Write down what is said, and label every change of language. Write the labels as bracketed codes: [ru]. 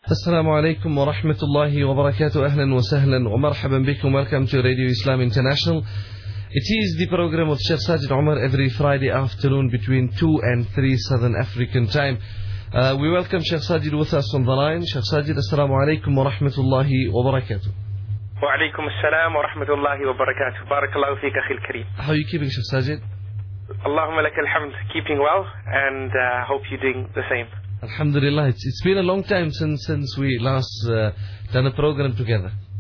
[ar] السلام عليكم ورحمة الله وبركاته. أهلا وسهلا ومرحبا بكم. [en] Welcome to Radio Islam International. It is the program of Sheikh Sajid Omar every Friday afternoon between 2 and 3 Southern African time. We welcome Sheikh Sajid with us on the line. [ar] Sheikh Sajid, السلام عليكم ورحمة الله وبركاته. وعليكم السلام ورحمة الله وبركاته. بارك الله فيك أخي الكريم. [en] How are you keeping, Sheikh Sajid? [ar] اللهم لك الحمد. [en] Keeping well and hope you're doing the same. Alhamdulillah, it's been a long time since we last done a program together.